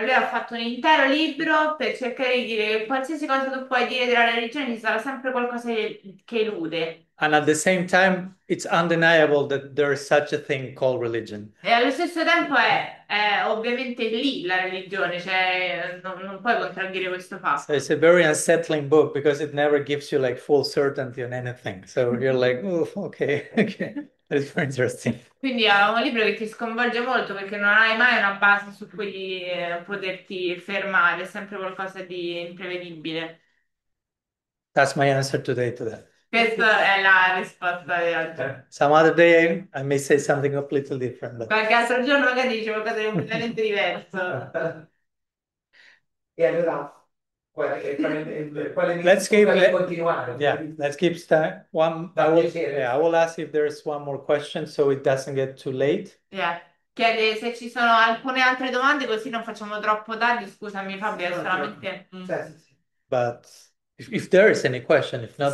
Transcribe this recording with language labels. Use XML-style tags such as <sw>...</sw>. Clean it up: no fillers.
<it>Ma lui ha fatto un intero libro per cercare di dire che qualsiasi cosa tu puoi dire della religione ci sarà sempre qualcosa che elude.</it> <en>And at the same time, it's undeniable that there is such a thing called religion.</en> <it>E allo stesso tempo è ovviamente lì la religione, cioè non puoi contraddire questo</it> <en>So it's</en> <it>fatto.</it> <en>a very unsettling book because it never gives you like full certainty on anything. So you're like, oh, okay. That is very interesting.</en> <it>Quindi è un libro che ti sconvolge molto perché non hai mai una base su cui poterti fermare, è sempre qualcosa di imprevedibile.</it> <en>That's my answer today to that.</en> <it>Questa è la risposta di oggi.</it> <en>Some other day I may say something completely different,</en> <it>Qualche altro giorno magari dice qualcosa di</it> <en>but.</en> <it>completamente diverso. Yeah, quale</it> <en>Let's</en> <it>punto</it> <en>keep</en> <it>devi</it> <en>let</en> <it>continuare?</it> <en>yeah let's keep start one I</en> <it>Da</it> <en>will</en> <it>piacere.</it> <en>yeah I will ask if there is one more question so it doesn't get too late.</en> <it>Chiede se ci sono alcune altre domande, così non facciamo troppo tardi. Scusami, Fabio, No, solamente.</it> <en>but if there is any question, if not,</en>